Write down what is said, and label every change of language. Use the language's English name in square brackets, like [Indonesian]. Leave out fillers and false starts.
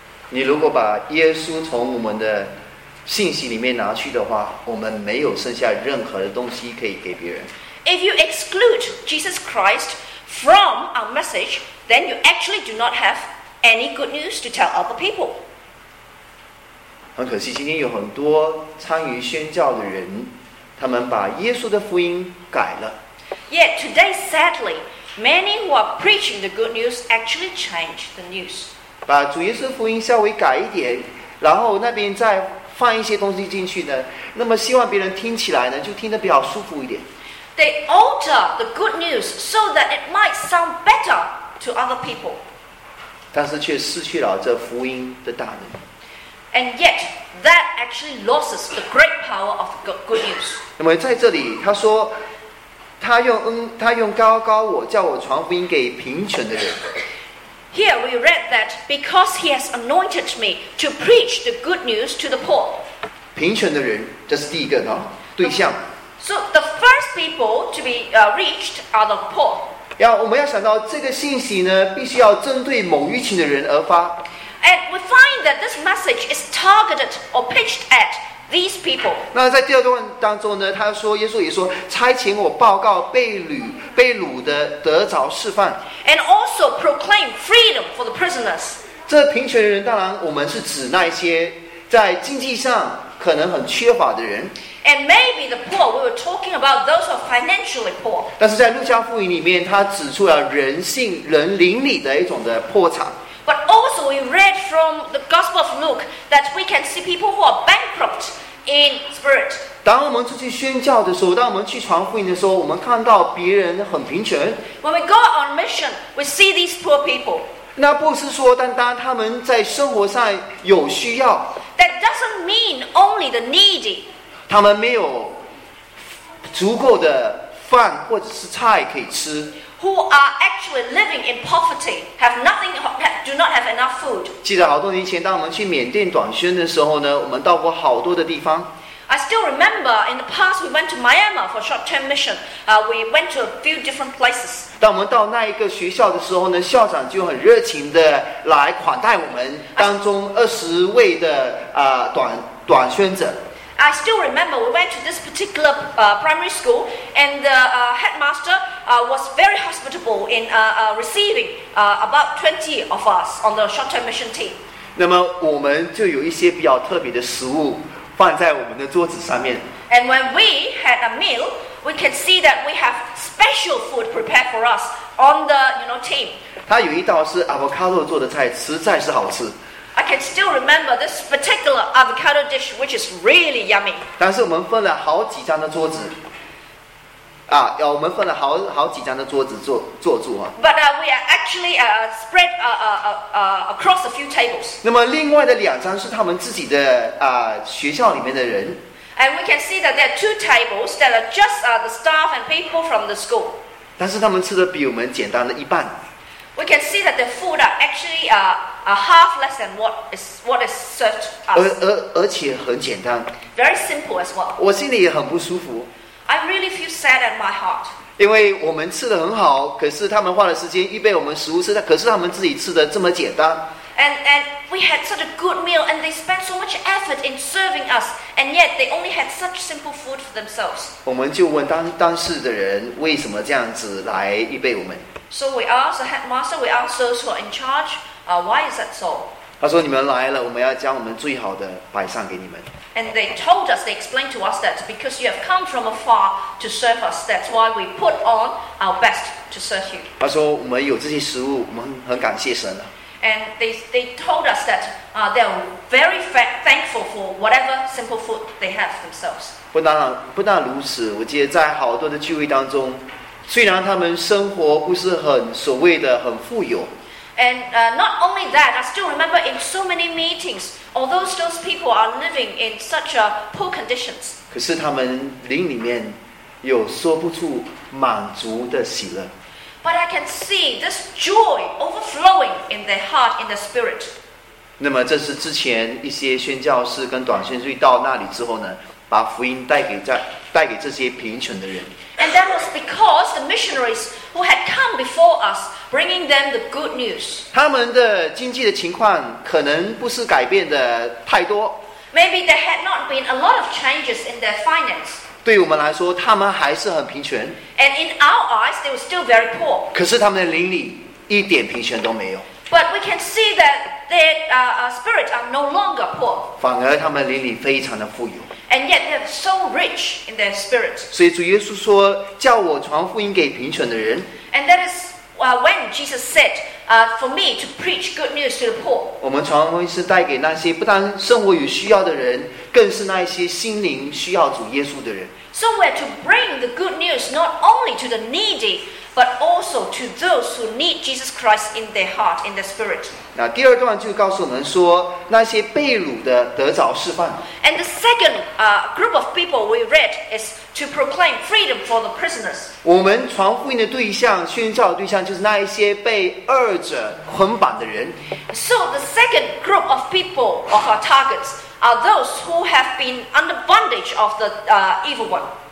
[Chinese] 你如果把耶稣从我们的信息里面拿去的话，我们没有剩下任何的东西可以给别人。 [English] If you exclude Jesus Christ from our message, then you actually do not have any good news to tell other people. [Chinese] 很可惜，今天有很多参与宣教的人，他们把耶稣的福音改了。 [English] Yet today, sadly, many who are preaching the good news actually change the news. [Chinese] 把主耶稣福音稍微改一点，然后那边再放一些东西进去呢，那么希望别人听起来呢，就听得比较舒服一点。 [English] They alter the good news so that it might sound better to other people. [Chinese] 但是却失去了这福音的大能。 [English] And yet, that actually loses the great power of good news. [Chinese] 那么在这里，他说，他用高高我，叫我传福音给贫穷的人。 [English] Here we read that because he has anointed me to preach the good news to the poor. [Chinese] 贫穷的人，这是第一个呢，对象。 [English] So the first people to be reached are the poor. [Chinese] 要我们要想到这个信息呢，必须要针对某一群的人而发。 [English] And we find that this message is targeted or pitched at these people. [Chinese] 那在第二段当中呢，他说耶稣也说差遣我报告被掳的得着释放。 [English] And also proclaim freedom for the prisoners. [Chinese] 这贫穷人当然我们是指那些在经济上可能很缺乏的人。 [English] And maybe the poor, we were talking about those who are financially poor. [Chinese] 但是在路加福音里面，他指出了人性人灵里的一种的破产。 [English] But also we read from the Gospel of Luke that we can see people who are bankrupt in spirit. [Chinese] 当我们出去宣教的时候，当我们去传福音的时候，我们看到别人很贫穷。 [English] When we go on mission, we see these poor people. [Chinese] 那不是说单单他们在生活上有需要。 [English] That doesn't mean only the needy. [Chinese] 他们没有足够的饭或者是菜可以吃。 [English] Who are actually living in poverty, have nothing, do not have enough food. [Chinese] 记得好多年前，当我们去缅甸短宣的时候呢，我们到过好多的地方。 [English] I still remember in the past we went to Myanmar for short-term mission. We went to a few different places. [Chinese] 当我们到那一个学校的时候呢，校长就很热情的来款待我们当中20位的短宣者。 [English] I still remember we went to this particular primary school and the headmaster was very hospitable in receiving about 20 of us on the short-term mission team. [Chinese] 那么我们就有一些比较特别的食物放在我们的桌子上面。 [English] And when we had a meal, we could see that we have special food prepared for us on the, you know, team. [Chinese] 他有一道是 avocado 做的菜，实在是好吃。 [English] I can still remember this particular avocado dish, which is really yummy. [Chinese] 但是我们分了好几张的桌子，我们分了好几张的桌子坐住啊。 [English] But we are actually spread across a few tables. [Chinese] 那么另外的两张是他们自己的学校里面的人。 [English] And we can see that there are two tables that are just the staff and people from the school. [Chinese] 但是他们吃的比我们简单的一半。 [English] We can see that the food are actually half less than what is served us. [Chinese] 而且很简单。 [English] Very simple as well. [Chinese] 我心里也很不舒服。 [English] I really feel sad at my heart. [Chinese] 因为我们吃得很好，可是他们花了时间预备我们食物吃，可是他们自己吃得这么简单。 [English] And we had such a good meal, and they spent so much effort in serving us, and yet they only had such simple food for themselves. [Chinese] 我们就问当事的人为什么这样子来预备我们。 [English] So we ask the headmaster, we ask those who are in charge, why is that so? [Chinese] 他说你们来了，我们要将我们最好的摆上给你们。 [English] And they told us, they explained to us that because you have come from afar to serve us, that's why we put on our best to serve you. [Chinese] 他说我们有这些食物，我们很感谢神了。 [English] And they told us that they're very thankful for whatever simple food they have themselves. [Chinese] 不但如此，我记得在好多的聚会当中，虽然他们生活不是很所谓的很富有。 [English] And not only that, I still remember in so many meetings, although those people are living in such a poor conditions. [Chinese] 可是他们灵里面有说不出满足的喜乐。 [English] But I can see this joy overflowing in their heart, in their spirit. [Chinese] 那么这是之前一些宣教士跟短宣队到那里之后呢，把福音带给这些贫穷的人。 [English] And that was because the missionaries who had come before us, bringing them the good news. [Chinese] 他们的经济的情况可能不是改变的太多。 [English] Maybe there had not been a lot of changes in their finance. [Chinese] 对我们来说，他们还是很贫穷。 [English] And in our eyes, they were still very poor. [Chinese] 可是他们的灵里一点贫穷都没有。 [English] But we can see that their spirits are no longer poor. [Chinese] 反而他们灵里非常的富有。 [English] And yet they're so rich in their spirit. [Chinese] 所以主耶稣说，叫我传福音给贫穷的人。 [English] And that is when Jesus said, for me to preach good news to the poor. [Chinese] 我们传福音是带给那些不但生活有需要的人，更是那些心灵需要主耶稣的人。 [English] So we're to bring the good news not only to the needy, but also to those who need Jesus Christ in their heart, in their spirit. [Chinese] 那第二段就告诉我们说，那些被掳的得着释放。 [English] And the second group of people we read is to proclaim freedom for the prisoners. [Chinese] 我们传福音的对象，宣教的对象，就是那一些被掳者捆绑的人。 [English] So the second group of people of our targets are those who have been under bondage of the evil one.